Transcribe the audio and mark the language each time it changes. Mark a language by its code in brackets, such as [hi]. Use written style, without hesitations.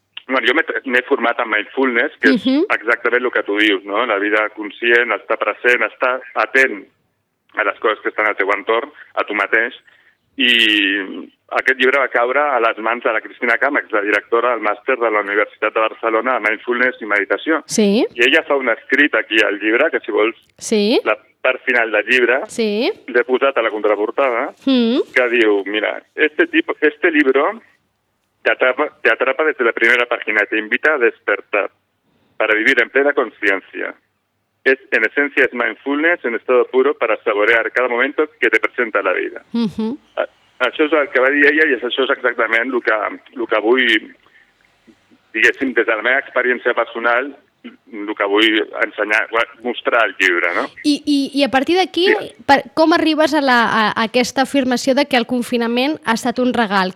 [ca] Bueno, jo m'he format en mindfulness, que és exactament el que tu dius, no?, la vida conscient, estar present, estar atent a les coses que estan al teu entorn, a tu mateix, i aquest llibre va caure a les mans de la Cristina Càmex, la directora del màster de la Universitat de Barcelona de Mindfulness i Meditació. Sí. I ella fa un escrit aquí al llibre, que si vols, sí, la part final del llibre, sí, l'he posat a la contraportada, que diu, mira, este libro te atrapa desde la primera página, te invita a despertar para vivir en plena conciencia. [es] En esencia es mindfulness en estado puro para saborear cada momento que te presenta la vida. [ca] Això és el que va dir ella i això és exactament el que vull, diguéssim, des de la meva experiència personal, el que vull ensenyar, mostrar al llibre, no? I a partir d'aquí, com arribes a aquesta afirmació de que el confinament ha estat un regal?